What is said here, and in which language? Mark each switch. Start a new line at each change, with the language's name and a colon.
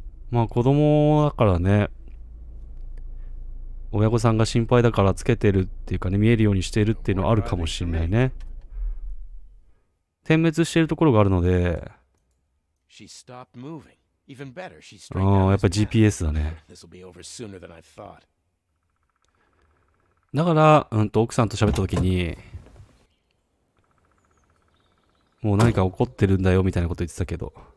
Japanese: まあ子供だからね、親御さんが心配だからつけてるっていうかね、見えるようにしてるっていうのはあるかもしれないね。点滅してるところがあるので、
English: Even better, she straightened out. This will be over sooner than I thought.
Japanese: だから、奥さんと喋った時に、もう何か起こってるんだよみたいなこと言ってたけど。